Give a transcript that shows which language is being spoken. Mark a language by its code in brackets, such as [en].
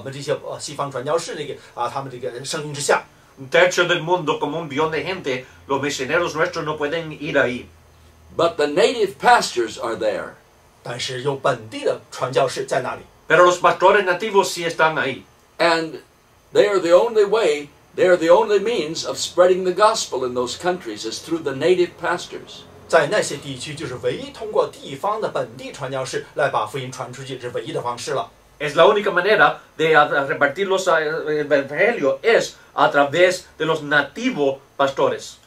[zh] 但是我们西方这个传教士大概有三分之一的地区，大概也就是2.5亿的人，根本就是我们达不到我们这些西方传教士那个他们这个声音之下。 [es] Dentro del mundo, como 1 billón de gente, los misioneros nuestros no pueden ir ahí. [en] But the native pastors are there. [zh] 但是有本地的传教士在那里。 [es] Pero los pastores nativos sí están ahí. [en] And they are the only way. They are the only means of spreading the gospel in those countries is through the native pastors. [zh] 在那些地区，就是唯一通过地方的本地传教士来把福音传出去，是唯一的方式了。 [es] Es la única manera de repartir los evangelios es a través de los nativos pastores.